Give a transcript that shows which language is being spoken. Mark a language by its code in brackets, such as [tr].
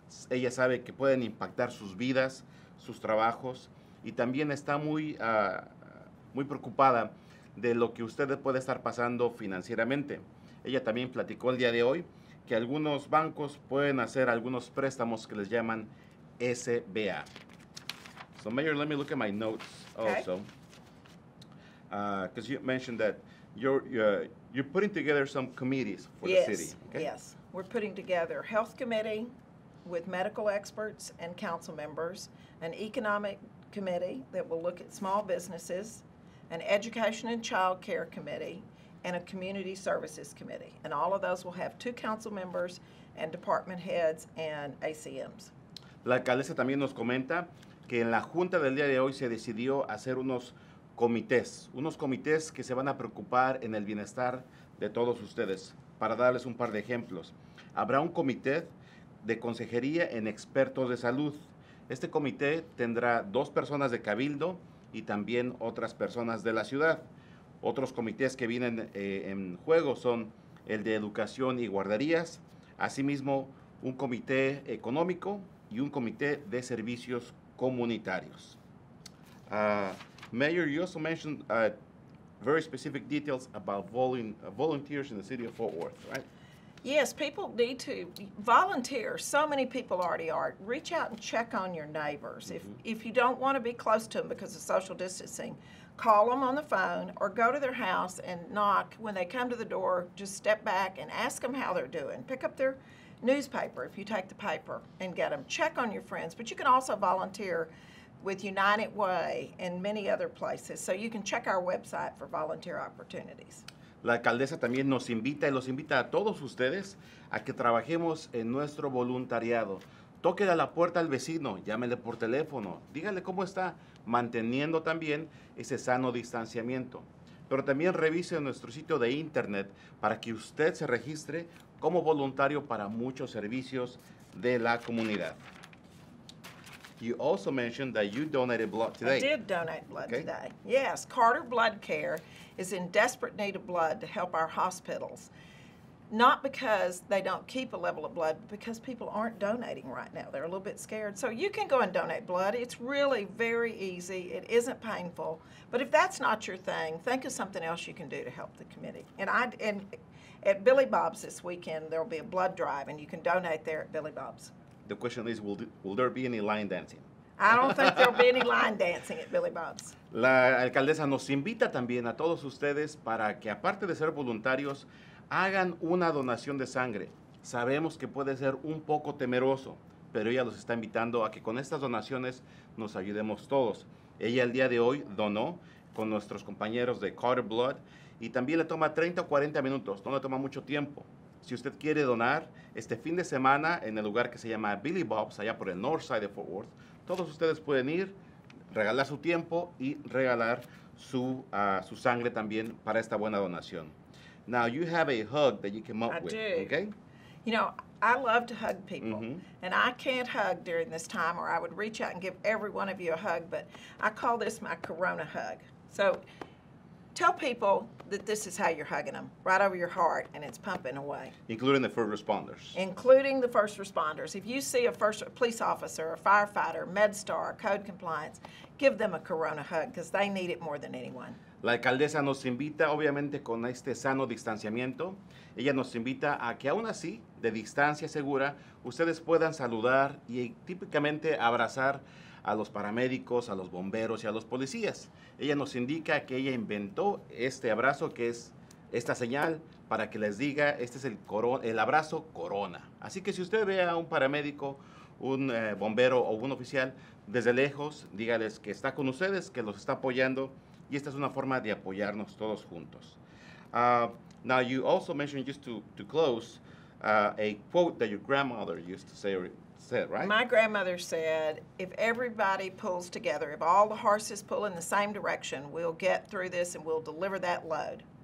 [es] Ella sabe que pueden impactar sus vidas, sus trabajos, y también está muy, muy preocupada de lo que usted puede estar pasando financieramente. Ella también platicó el día de hoy que algunos bancos pueden hacer algunos préstamos que les llaman SBA. [en] So, Mayor, let me look at my notes also. Because you mentioned that you're putting together some committees for yes. the city. Okay? Yes, we're putting together health committee with medical experts and council members, an economic committee that will look at small businesses, an education and child care committee, and a community services committee. And all of those will have two council members and department heads and ACMs. [es] La alcaldesa también nos comenta que en la junta del día de hoy se decidió hacer unos comités que se van a preocupar en el bienestar de todos ustedes. Para darles un par de ejemplos, habrá un comité de consejería en expertos de salud. Este comité tendrá dos personas de cabildo y también otras personas de la ciudad. Otros comités que vienen en juego son el de educación y guarderías, asimismo un comité económico y un comité de servicios comunitarios. [en] Mayor, you also mentioned very specific details about volunteers in the city of Fort Worth, right? Yes, people need to volunteer. So many people already are. Reach out and check on your neighbors. Mm-hmm. If you don't want to be close to them because of social distancing, call them on the phone or go to their house and knock. When they come to the door, just step back and ask them how they're doing. Pick up their newspaper if you take the paper and get them. Check on your friends, but you can also volunteer with United Way and many other places. So you can check our website for volunteer opportunities. [es] La alcaldesa también nos invita y los invita a todos ustedes a que trabajemos en nuestro voluntariado. Tóquele a la puerta al vecino, llámele por teléfono, dígale cómo está, manteniendo también ese sano distanciamiento. pero también revise nuestro sitio de internet para que usted se registre como voluntario para muchos servicios de la comunidad. [en] You also mentioned that you donated blood today. I did donate blood today. Yes, Carter Blood Care is in desperate need of blood to help our hospitals. Not because they don't keep a level of blood, but because people aren't donating right now. They're a little bit scared. So you can go and donate blood. It's really very easy. It isn't painful. But if that's not your thing, think of something else you can do to help the community. And at Billy Bob's this weekend, there'll be a blood drive, and you can donate there at Billy Bob's. The question is, will there be any line dancing? I don't think there'll be any line dancing at Billy Bob's. [es] La alcaldesa nos invita también a todos ustedes para que, aparte de ser voluntarios, hagan una donación de sangre. Sabemos que puede ser un poco temeroso, pero ella los está invitando a que con estas donaciones nos ayudemos todos. Ella el día de hoy donó con nuestros compañeros de Carter Blood y también le toma 30 o 40 minutos, no le toma mucho tiempo. Si usted quiere donar este fin de semana en el lugar que se llama Billy Bob's, allá por el North Side de Fort Worth, todos ustedes pueden ir, regalar su tiempo y regalar su sangre también para esta buena donación. [en] Now, you have a hug that you came up with. I do. Okay? You know, I love to hug people. Mm-hmm. And I can't hug during this time, or I would reach out and give every one of you a hug, but I call this my Corona hug. So tell people that this is how you're hugging them, right over your heart, and it's pumping away. Including the first responders. Including the first responders. If you see a police officer, a firefighter, MedStar, code compliance, give them a Corona hug because they need it more than anyone. [es] La alcaldesa nos invita, obviamente, con este sano distanciamiento. Ella nos invita a que, aún así, de distancia segura, ustedes puedan saludar y típicamente abrazar a los paramédicos, a los bomberos y a los policías. Ella nos indica que ella inventó este abrazo, que es esta señal, para que les diga, este es el abrazo Corona. Así que si usted ve a un paramédico, un bombero o un oficial, desde lejos, dígales que está con ustedes, que los está apoyando, y esta es una forma de apoyarnos todos juntos. [en] Now, you also mentioned, just to close, a quote that your grandmother used to say, right? My grandmother said, if everybody pulls together, if all the horses pull in the same direction, we'll get through this and we'll deliver that load.